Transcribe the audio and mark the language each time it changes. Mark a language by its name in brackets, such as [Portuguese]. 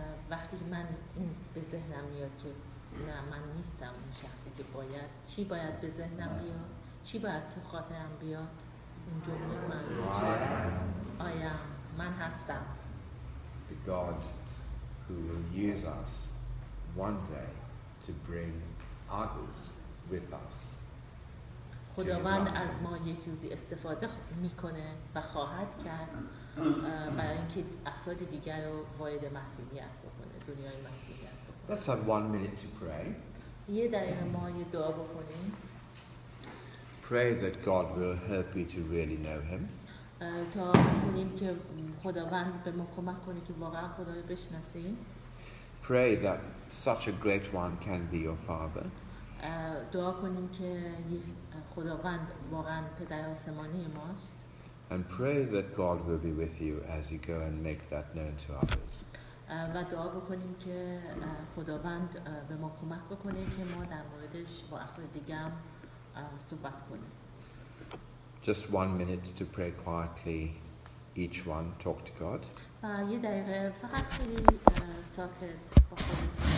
[Persian] وقتی من این به ذهنم میاد که نه من نیستم اون شخصی که باید، چی باید به ذهنم بیاد؟ چی باید تو خاطرم بیاد؟ اون جمله من آیا من هستم. [English] The God who will use us one day to bring others with us. [Persian] خداوند از ما یک روزی استفاده میکنه و خواهد کرد برای اینکه افراد دیگر رو وارد مسیحیت بکنه، دنیای مسیحیت بکنه. [English] Let's have one minute to pray. [Persian] یه دقیقه ما یه دعا بکنیم. [English] Pray that God will help you to really know him. [Persian] تا بکنیم که خداوند به ما کمک کنه که واقعا خدا رو بشناسیم. [English] Pray that such a great one can be your father. [Persian] دعا کنیم که خداوند واقعا پدر آسمانی ماست. [English] And pray that God will be with you as you go and make that known to others. [Persian] و دعا بکنیم که خداوند به ما کمک بکنه که ما در موردش با افراد دیگه هم صحبت کنیم. [English] Just one minute to pray quietly, each one talk to God. [Persian] یه دقیقه فقط خیلی ساکت با خودتون.